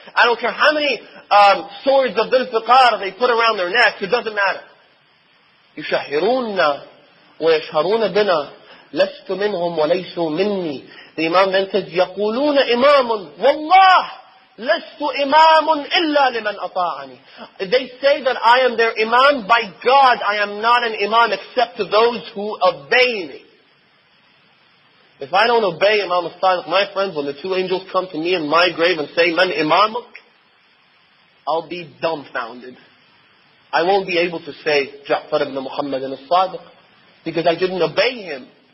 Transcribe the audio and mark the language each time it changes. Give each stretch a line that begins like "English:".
English: I don't care how many swords of Dhul-Fiqar they put around their necks. It doesn't matter.
Arabic: يُشَهِرُونَّا وَيَشْهَرُونَ بِنَا لَسْتُ مِنْهُمْ وَلَيْسُوا مِنِّي
English: The Imam then says,
Arabic: يَقُولُونَ إِمَامٌ وَاللَّهِ لَسْتُ إِمَامٌ إِلَّا لِمَنْ أَطَاعَنِي
English: They say that I am their Imam. By God, I am not an Imam except to those who obey me. If I don't obey Imam al-Sadiq, my friends, when the two angels come to me in my grave and say,
Arabic: Man imamuk,
English: I'll be dumbfounded. I won't be able to say, Ja'far ibn Muhammad al-Sadiq, because I didn't obey him.